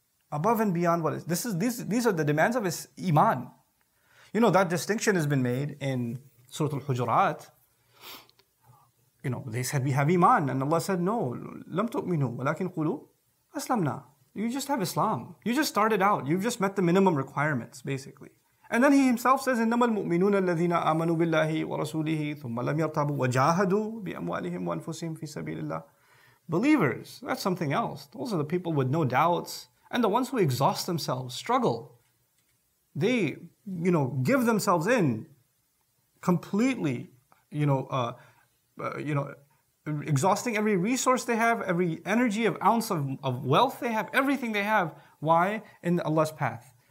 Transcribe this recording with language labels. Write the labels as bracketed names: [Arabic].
[English] Above and beyond what is, this is, these are the demands of his Iman. You know, that distinction has been made in Surah Al-Hujurat. You know, they said we have Iman, and Allah said, no, [Arabic] لم تؤمنوا ولكن قلوا أسلمنا. [English] You just have Islam. You just started out. You've just met the minimum requirements, basically. And then he himself says, [Arabic] إنما المؤمنون الذين آمنوا بالله ورسوله ثم لم يرتابوا وجاهدوا بأموالهم وأنفسهم في سبيل الله. [English] Believers, that's something else. Those are the people with no doubts. And the ones who exhaust themselves, struggle. They, you know, give themselves in completely, exhausting every resource they have, every energy of ounce of wealth they have, everything they have. Why? In Allah's path.